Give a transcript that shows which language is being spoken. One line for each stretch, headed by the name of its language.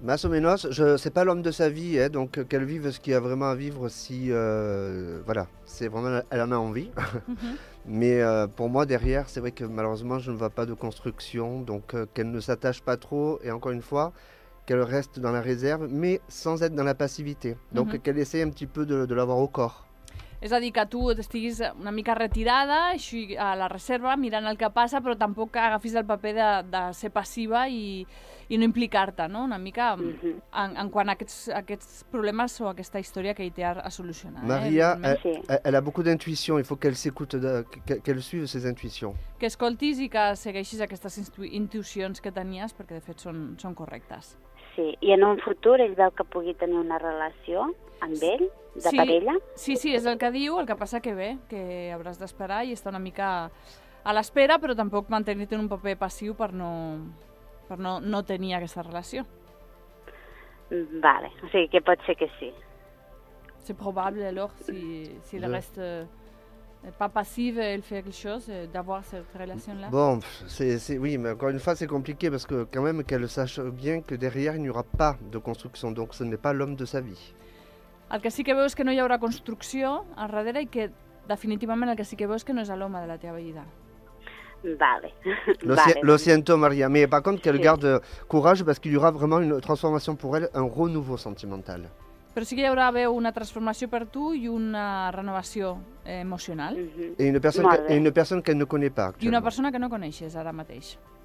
Spanish: Más o menos,
French: c'est pas l'homme de sa vie, hein, donc qu'elle vive ce qu'il y a vraiment à vivre, si, voilà, c'est vraiment, elle en a envie. Mais pour moi, derrière, c'est vrai que malheureusement, je ne vois pas de construction, donc qu'elle ne s'attache pas trop, et encore une fois, qu'elle reste dans la réserve, mais sans être dans la passivité. Donc qu'elle essaye un petit peu de l'avoir au corps.
Catalan: És a dir, que tu estiguis una mica retirada, així a la reserva, mirant el que passa, però tampoc agafis el paper de ser passiva i no implicar-te, no? Una mica en quant a aquests problemes o aquesta història que hi té a solucionar.
French: Maria, elle a beaucoup d'intuition, il faut qu'elle s'écoute, qu'elle suive ses intuitions.
Catalan: Que escoltis i que segueixis aquestes intuïcions que tenies, perquè de fet són correctes. Sí, i en un futur ell veu que pugui tenir una relació amb ell, de sí, parella. Sí, sí, és el que diu, el que passa que bé, que hauràs d'esperar i està una mica a l'espera, però tampoc mantenir-te en un paper passiu per no tenir aquesta relació. Vale, o sigui que pot ser que sí.
French: C'est probable, alors, si le reste... pas passive, elle fait quelque chose d'avoir cette relation-là. Bon, c'est oui, mais encore une fois, c'est compliqué parce que quand même qu'elle sache bien que derrière il n'y aura pas de construction, donc ce n'est pas l'homme de sa vie.
Catalan: El que sí que veus que no hi haurà construcció al darrere i que definitivament el que sí que veus que no és l'home de la teva vida. Vale.
Spanish: Lo siento,
French: Maria, mais par contre qu'elle garde courage parce qu'il y aura vraiment une transformation pour elle, un renouveau sentimental.
Catalan: Però sí que hi haurà veu una transformació per tu i una renovació emocional. I una persona que no coneix pas. I una persona que no coneixes ara mateix.